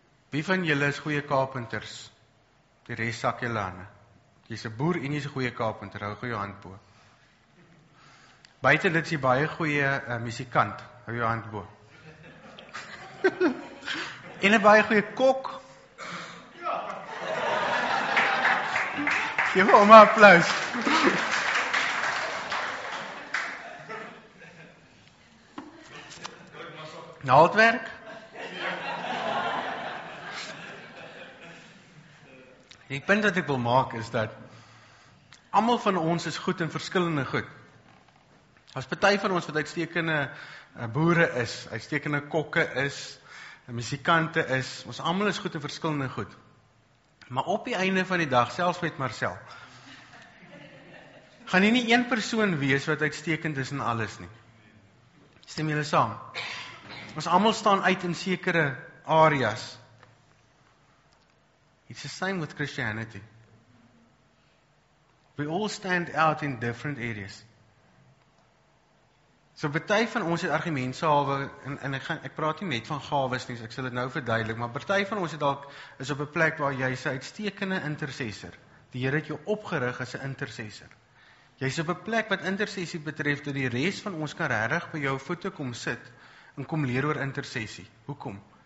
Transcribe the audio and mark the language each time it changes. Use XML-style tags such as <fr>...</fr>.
<af>Wie van julle is goeie kapinters? Die res sak julle hande. Jy's 'n boer en jy's 'n goeie kapinter, hou jou hand bo. Buiten dit is jy baie goeie musikant, hou jou hand bo. En 'n baie goeie kok. Geef hom 'n applaus. Naaldwerk? Die punt wat ek wil maak is dat almal van ons is goed in verskillende goed. As party van ons wat uitstekende boere is, uitstekende kokke is, musikante is, ons almal is goed in verskillende goed. Maar op die einde van die dag, selfs met Marcel, gaan jy nie een persoon wees wat uitstekend is in alles nie. Stem julle saam? Ons almal staan uit in sekere areas.</af> <en>It's the same with Christianity. We all stand out in different areas.</en> <af>So party van ons het argumentsalwe, en ek praat nie net van gawes nie, so ek sal dit nou verduidelik, maar party van ons het dalk is op 'n plek waar jy 'n uitstekende intercessor. Die Here het jou opgerig as 'n intercessor. Jy is op 'n plek wat intersessie betref, dat die res van ons kan regtig by jou voete kom sit en kom leer oor intersessie. Hoekom?</af>